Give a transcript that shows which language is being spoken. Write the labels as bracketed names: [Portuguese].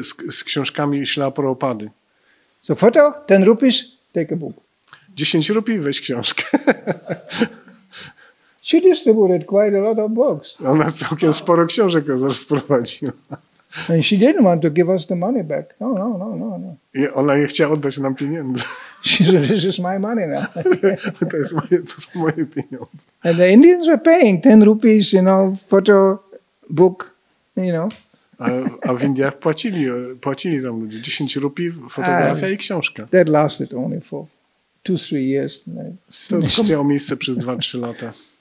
[Polish] Z książkami Śrila Prabhupady. [English] So photo, 10 rupees, take a book. [Polish] 10 rupii, weź książkę. [English] She distributed quite a lot of books. [Polish] Ona całkiem sporo książek rozprowadziła. [English] And she didn't want to give us the money back. [Polish] No. I ona nie chciała oddać nam pieniędzy. [English] She said, this is my money now. [Polish] To są moje pieniądze. [English] And the Indians were paying 10 rupees, photo book, [Polish] A w Indiach płacili tam 10 rupii, fotografia i książka. [English] That lasted only for 2-3 years. [Polish] To miało miejsce przez 2-3 lata.